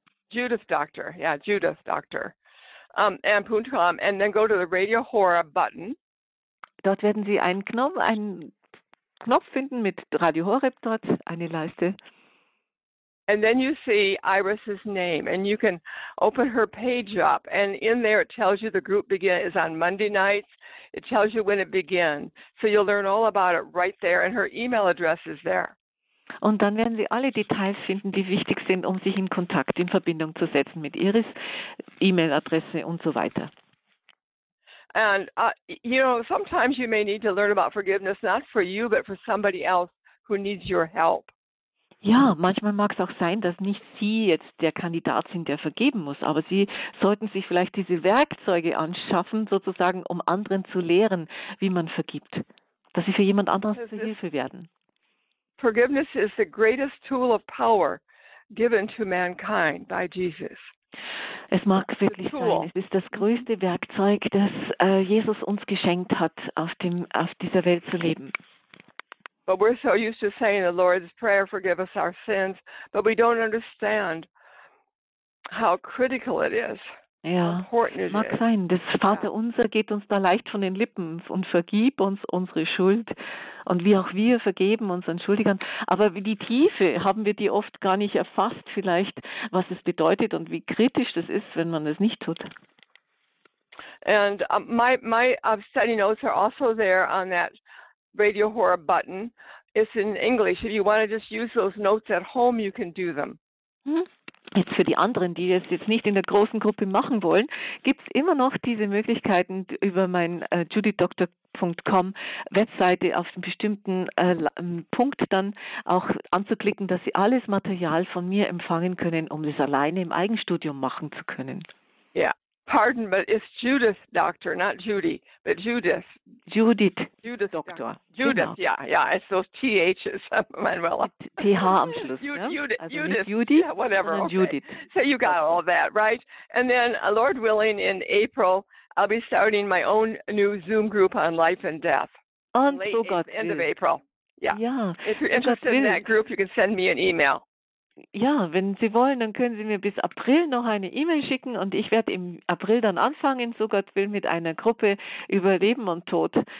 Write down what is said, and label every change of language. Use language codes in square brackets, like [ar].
[en] Judith Doctor, yeah, Judith Doctor, and .com, and then go to the Radio Horeb button. [de] Dort werden Sie einen Knopf finden mit Radio Horeb dort, eine Leiste. [en] And then you see Iris's name, and you can open her page up, and in there it tells you the group is on Monday nights, it tells you when it begins, so you'll learn all about it right there, and her email address is there. [de] Und dann werden Sie alle Details finden, die wichtig sind, um sich in Kontakt, in Verbindung zu setzen mit Iris, E-Mail-Adresse und so weiter. [en] And, you know, sometimes you may need to learn about forgiveness, not for you, but for somebody else who needs your help. [de] Ja, manchmal mag es auch sein, dass nicht Sie jetzt der Kandidat sind, der vergeben muss, aber Sie sollten sich vielleicht diese Werkzeuge anschaffen, sozusagen, um anderen zu lehren, wie man vergibt, dass Sie für jemand anderes zur Hilfe werden. [en] Forgiveness is the greatest tool of power given to mankind by Jesus. [de] Es mag wirklich sein, es ist das größte Werkzeug, das Jesus uns geschenkt hat, auf dieser Welt zu leben. [en] But we're so used to saying the Lord's Prayer, forgive us our sins, but we don't understand how critical it is. [de] Ja, mag sein. Das Vater unser geht uns da leicht von den Lippen und vergib uns unsere Schuld. Und wie auch wir vergeben unseren Schuldigern. Aber die Tiefe haben wir die oft gar nicht erfasst, vielleicht, was es bedeutet und wie kritisch das ist, wenn man es nicht tut. [en] And my study notes are also there on that radio horror button. It's in English. If you want to just use those notes at home, you can do them. [de] Jetzt für die anderen, die es jetzt nicht in der großen Gruppe machen wollen, gibt es immer noch diese Möglichkeiten über mein judithdoctor.com Webseite auf einen bestimmten Punkt dann auch anzuklicken, dass sie alles Material von mir empfangen können, um es alleine im Eigenstudium machen zu können. Ja, yeah. [en] Pardon, but it's Judith Doctor, not Judy, but Judith. Judith Doctor. Judith, [de] genau. [en] Yeah, it's those THs, Manuela. [de] TH am Schluss, ja? [en] Judith, Judy, yeah, whatever, okay. Judith. So you got all that, right? And then, Lord willing, in April, I'll be starting my own new Zoom group on life and death. [de] Und so Gott [en] will. End of April, yeah. Yeah. If you're interested in that group, you can send me an email. [de] Ja, wenn Sie wollen, dann können Sie mir bis April noch eine E-Mail schicken und ich werde im April dann anfangen, so Gott will, mit einer Gruppe über Leben und Tod.